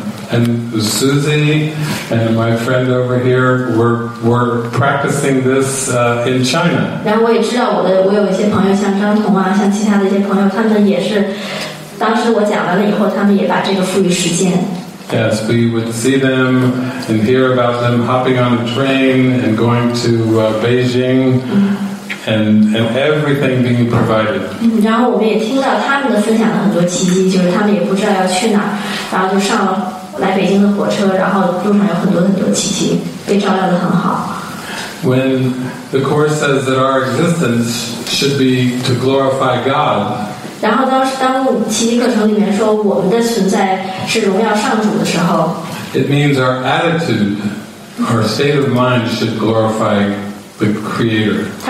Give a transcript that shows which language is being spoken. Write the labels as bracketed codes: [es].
[en] And Susie and my friend over here were practicing this in China. [zh] 然后我也知道我有一些朋友像张彤啊像其他的一些朋友他们也是当时我讲完了以后他们也把这个付于实践。 [en] Yes, we would see them and hear about them hopping on a train and going to Beijing and everything being provided. When the Course says that our existence should be to glorify God, [zh] 然后当奇迹课程里面说我们的存在是荣耀上主的时候, [en] it means our attitude, our state of mind should glorify the Creator.